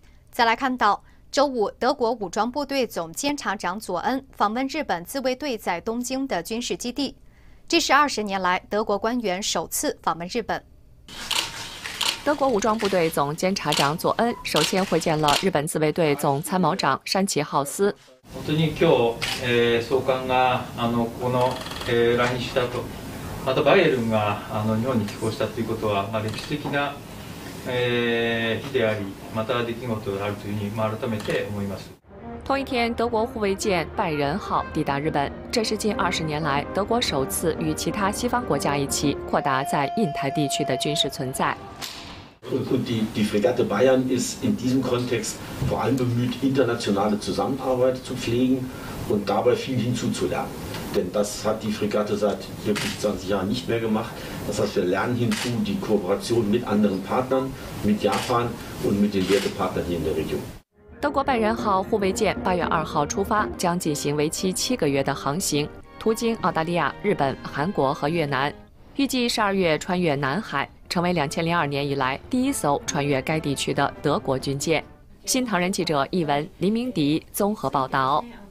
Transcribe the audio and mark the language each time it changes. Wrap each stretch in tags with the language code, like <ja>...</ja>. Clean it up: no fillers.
<zh>再来看到，周五德国武装部队总监察长佐恩访问日本自卫队在东京的军事基地，这是20年来德国官员首次访问日本。德国武装部队总监察长佐恩首先会见了日本自卫队总参谋长山崎浩司。</zh> <ja>本当に今日、総監がこの、来日したと、またバイエルンが日本に寄港したということは、まあ、歴史的な、日であり、また出来事であるというふうに、まあ、改めて思います。</ja> <zh>同一天，德国护卫舰拜仁号抵达日本，这是近20年来德国首次与其他西方国家一起扩大在印太地区的军事存在。</zh> <de>Und die Fregatte Bayern ist in diesem Kontext vor allem bemüht, internationale Zusammenarbeit zu pflegen und dabei viel hinzuzulernen. Denn das hat die Fregatte seit wirklich 20 Jahren nicht mehr gemacht. Das heißt, wir lernen hinzu die Kooperation mit anderen Partnern, mit Japan und mit den Wertepartnern hier in der Region.</de> <zh>德国拜仁号护卫舰8月2号出发，将进行为期7个月的航行，途经澳大利亚、日本、韩国和越南，预计12月穿越南海，成为2002年以来第一艘穿越该地区的德国军舰。新唐人记者译文林明迪综合报道。</zh>